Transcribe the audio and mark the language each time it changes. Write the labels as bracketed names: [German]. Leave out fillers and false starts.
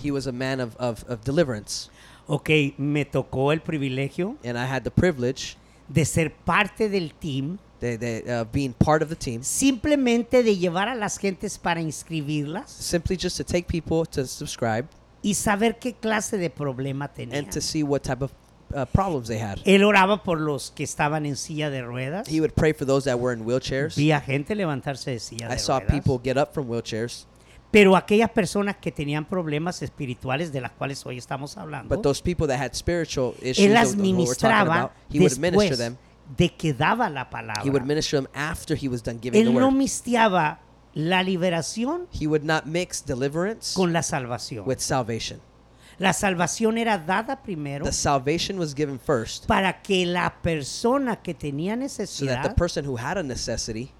[English] He was a man of deliverance. [Spanish] Okay, me tocó el privilegio. [English] And I had the privilege [Spanish] de ser parte del team [English] Being part of the team. [Spanish] Simplemente de llevar a las gentes para inscribirlas. [English] Simply just to take people to subscribe. [Spanish] Y saber qué clase de problema tenían. [English] And to see what type of problems they had. [Spanish] Él oraba por los que estaban en silla de ruedas. [English] He would pray for those that were in wheelchairs. [Spanish] Vi a gente levantarse de silla de ruedas. [English] I saw people get up from wheelchairs. [Spanish] Pero aquellas personas que tenían problemas espirituales de las cuales hoy estamos hablando. [English] But those people that had spiritual issues. [Spanish] Él las ministraba después de que daba la palabra. [English] He would minister them after he was done giving the word. [Spanish] Él no mistiaba la liberación. [English] He would not mix deliverance [Spanish] con la salvación. [English] With salvation. [Spanish] La salvación era dada primero. [English] The salvation was given first. [Spanish] Para que la persona que tenía necesidad. [English] So that the person who had a necessity.